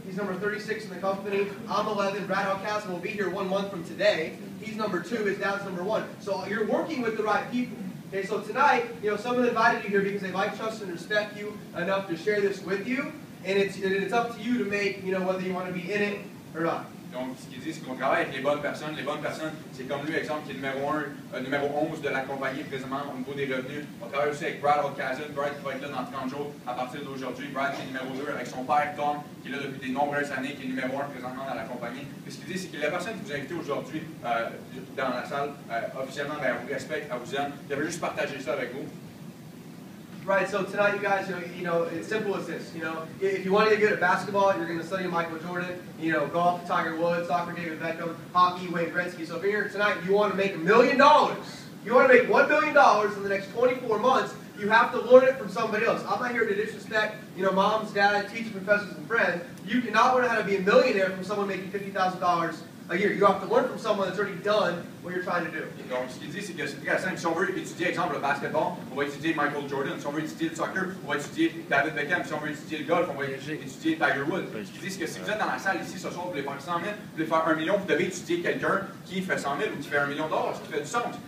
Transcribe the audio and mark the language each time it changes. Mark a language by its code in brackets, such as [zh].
[en] He's number 36 in the company. I'm 11. Brad Alcast will be here 1 month from today. He's number 2. His dad's number 1. So you're working with the right people. Okay, so tonight, you know, someone invited you here because they like, trust, and respect you enough to share this with you. And it's up to you to make, you know, whether you want to be in it or not. [fr] Donc, ce qu'il dit, c'est qu'on travaille avec les bonnes personnes. Les bonnes personnes, c'est comme lui, exemple, qui est numéro 11 de la compagnie présentement au niveau des revenus. On travaille aussi avec Brad Alcazin. Brad va être là dans 30 jours à partir d'aujourd'hui. Brad, qui est numéro 2 avec son père Tom, qui est là depuis des nombreuses années, qui est numéro 1 présentement dans la compagnie. Puis, ce qu'il dit, c'est que la personne qui vous a invité aujourd'hui dans la salle, officiellement, ben, elle vous respecte, elle vous aime. Elle veut juste partager ça avec vous. [en] Right, so tonight you guys, you know, it's simple as this, you know. If you want to get good at basketball, you're going to study Michael Jordan, you know, golf, Tiger Woods, soccer, David Beckham, hockey, Wayne Gretzky. So if you're here tonight, you want to make $1 million. You want to make $1 million in the next 24 months, you have to learn it from somebody else. I'm not here to disrespect, you know, moms, dad, teachers, professors, and friends. You cannot learn how to be a millionaire from someone making $50,000 a year. You have to learn from someone that's already done what what you're trying to do. [fr] Donc, ce qu'il dit, c'est que c'est très simple. Si on veut étudier, exemple, le basketball, on va étudier Michael Jordan. Si on veut étudier le soccer, on va étudier David Beckham. Si on veut étudier le golf, on va étudier Tiger Woods. Ils disent que si vous êtes dans la salle ici ce soir, vous voulez faire 100 000, vous voulez faire 1 million, vous devez étudier quelqu'un qui fait 100 000 ou qui fait 1 million de dollars, ce qui fait du sens.